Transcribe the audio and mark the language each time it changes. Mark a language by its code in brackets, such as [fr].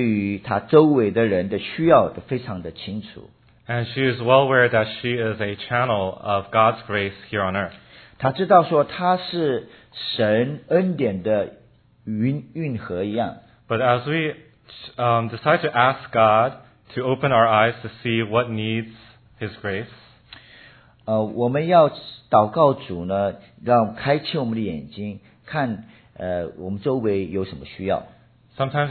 [zh] 所以多加姊妹呢，对于她周围的人的需要都非常的清楚。 [en] And she is well aware that she is a channel of God's grace here on earth. [zh] 她知道说她是神恩典的运河一样。 [en] But as we decide to ask God to open our eyes to see what needs His grace, [zh] 我们要祷告主呢，让开启我们的眼睛，看我们周围有什么需要。 [en] Sometimes